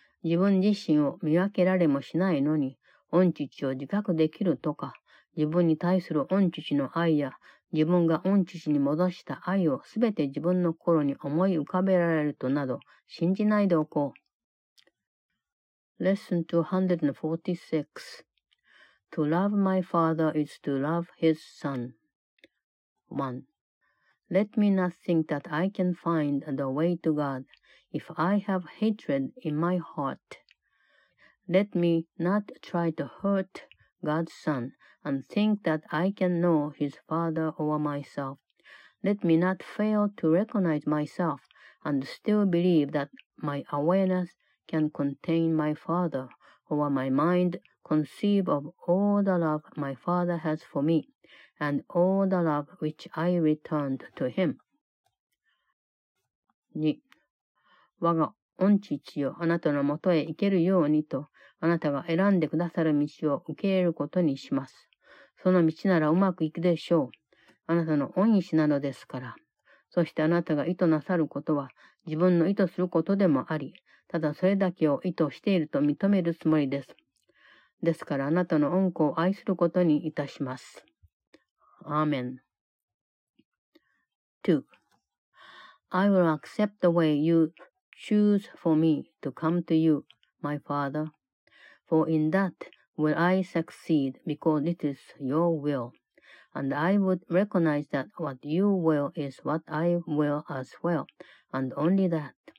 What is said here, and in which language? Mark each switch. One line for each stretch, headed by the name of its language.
Japanese: 自分自身を見分けられもしないのに、御父を自覚できるとか、自分に対する御父の愛や自分が御父に戻した愛をすべて自分の心に思い浮かべられるとなど信じないでおこう。
English: Lesson 246 To love my father is to love his son. 1. Let me not think that I can find the way to God if I have hatred in my heart. Let me not try to hurt God's son. And think that I can know his father or myself. Let me not fail to recognize myself and still believe that my awareness can contain my father or my mind conceive of all the love my father has for me and all the love which I returned to him. 2.
Japanese: 我が御父よ、あなたのもとへ行けるようにと、あなたが選んでくださる道を受け入れることにします。その道ならうまくいくでしょう。あなたの恩師なのですから。そしてあなたが意図なさることは自分の意図することでもあり、ただそれだけを意図していると認めるつもりです。ですからあなたの恩子を愛することにいたします。アーメン。
English: 2. I will accept the way you choose for me to come to you, my father. For in that,Will I succeed because it is your will? And I would recognize that what you will is what I will as well, and only that.